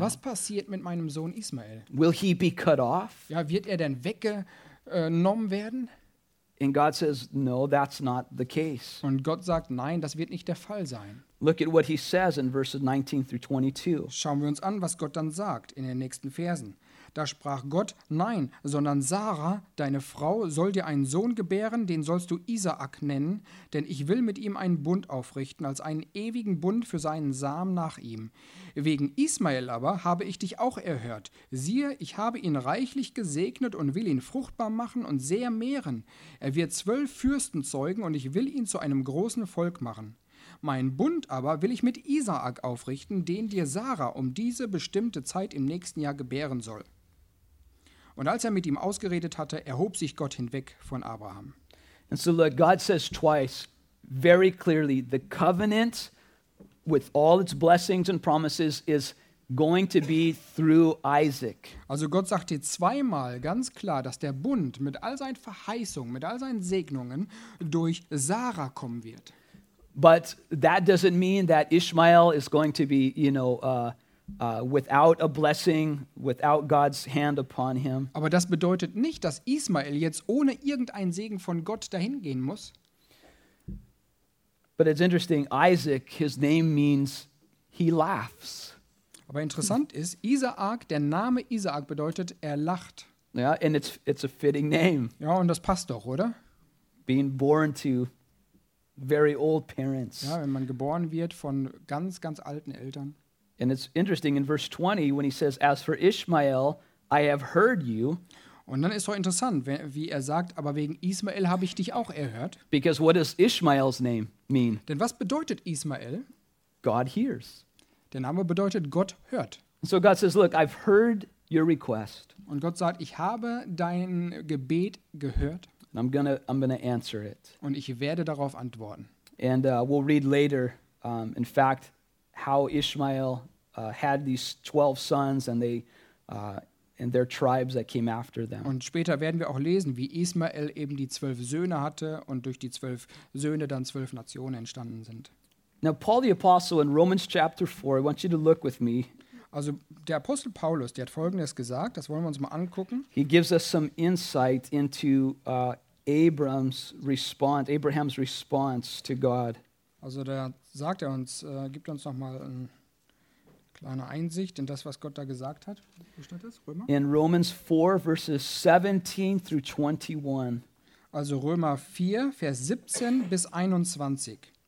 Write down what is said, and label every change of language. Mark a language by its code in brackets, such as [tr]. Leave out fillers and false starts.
[de] Was passiert mit meinem Sohn Ismael? [en] Will he be cut off? [de] Ja, wird er denn weggenommen werden? [en] And God says, "No, that's not the case." [de] Und Gott sagt, nein, das wird nicht der Fall sein. [en] Look at what he says in verses 19 through 22. [de] Schauen wir uns an, was Gott dann sagt in den nächsten Versen. Da sprach Gott, nein, sondern Sarah, deine Frau, soll dir einen Sohn gebären, den sollst du Isaak nennen, denn ich will mit ihm einen Bund aufrichten, als einen ewigen Bund für seinen Samen nach ihm. Wegen Ismael aber habe ich dich auch erhört. Siehe, ich habe ihn reichlich gesegnet und will ihn fruchtbar machen und sehr mehren. Er wird 12 Fürsten zeugen und ich will ihn zu einem großen Volk machen. Mein Bund aber will ich mit Isaak aufrichten, den dir Sarah um diese bestimmte Zeit im nächsten Jahr gebären soll. Und als er mit ihm ausgeredet hatte, erhob sich Gott hinweg von Abraham. [en] And so look, God says twice, very clearly, the covenant with all its blessings and promises is going to be through Isaac. [de] Also Gott sagt hier zweimal ganz klar, dass der Bund mit all seinen Verheißungen, mit all seinen Segnungen durch Sarah kommen wird. [en] But that doesn't mean that Ishmael is going to be, you know, without a blessing, without God's hand upon him. [de] Aber das bedeutet nicht, dass Ismael jetzt ohne irgendeinen Segen von Gott dahin gehen muss. [en] But it's interesting, Isaac, his name means he laughs. [de] Aber interessant ist, Isaak, der Name Isaak bedeutet, er lacht. [en] Yeah, and it's a fitting name. [de] Ja, und das passt doch, oder? [en] Being born to very old parents. [de] Ja, wenn man geboren wird von ganz, ganz alten Eltern. [en] And it's interesting in verse 20 when he says, "As for Ishmael, I have heard you." [de] Und dann ist so interessant, wie er sagt, aber wegen Ismael habe ich dich auch erhört. [en] Because what does Ishmael's name mean? [de] Denn was bedeutet Ismael? [en] God hears. [de] Der Name bedeutet Gott hört. [en] So God says, "Look, I've heard your request. [de] Und Gott sagt, ich habe dein Gebet gehört. [en] And I'm gonna answer it. [de] Und ich werde darauf antworten. [en] And we'll read later, in fact, how Ishmael had these 12 sons and they and their tribes that came after them. [de] Und später werden wir auch lesen, wie Ismael eben die 12 Söhne hatte und durch die 12 Söhne dann 12 Nationen entstanden sind. [en] Now Paul the Apostle in Romans chapter 4, I want you to look with me. [de] Also der Apostel Paulus, der hat Folgendes gesagt, das wollen wir uns mal angucken. [en] He gives us some insight into Abraham's response to God. [de] Also da sagt er uns, gibt uns nochmal eine kleine Einsicht in das, was Gott da gesagt hat. Wo stand das? Römer? [en] In Romans 4, verses 17 through 21. [de] Also Römer 4, Vers 17 bis 21.